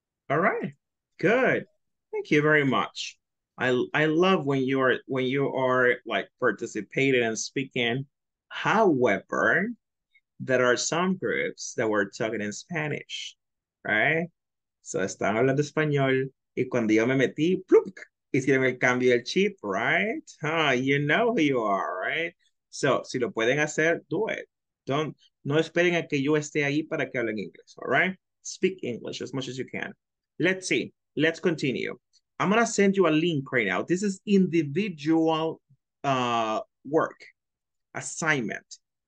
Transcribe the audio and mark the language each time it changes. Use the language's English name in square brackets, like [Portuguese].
[English] All right, good. Thank you very much. I love when you are like participating and speaking. However, there are some groups that were talking in Spanish, right? [Spanish] So están hablando español, y cuando yo me metí, ¡plup!, hicieron el cambio del chip, [English] right? You know who you are, right? So, [Spanish] si lo pueden hacer, [English] do it. [Spanish] No esperen a que yo esté ahí para que hablen inglés, [English] all right? Speak English as much as you can. Let's see. Let's continue. I'm going to send you a link right now. This is individual work, assignment.